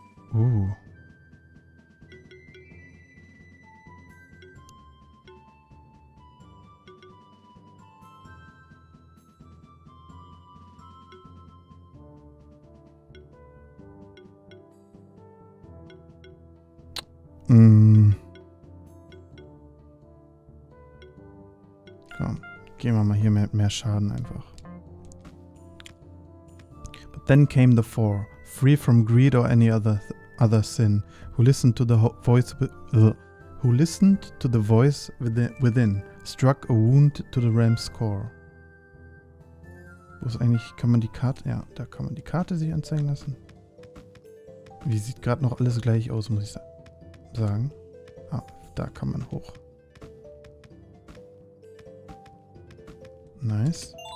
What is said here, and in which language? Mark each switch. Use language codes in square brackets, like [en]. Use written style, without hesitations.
[de] Komm, gehen wir mal hier mit mehr Schaden einfach. [en] But then came the four, free from greed or any other sin, who listened to the voice within, struck a wound to the realm's core. [de] Wo ist eigentlich, kann man die Karte, ja, da kann man die Karte sich anzeigen lassen. Wie sieht gerade noch alles gleich aus, muss ich sagen. Ah, da kann man hoch. [en] Nice.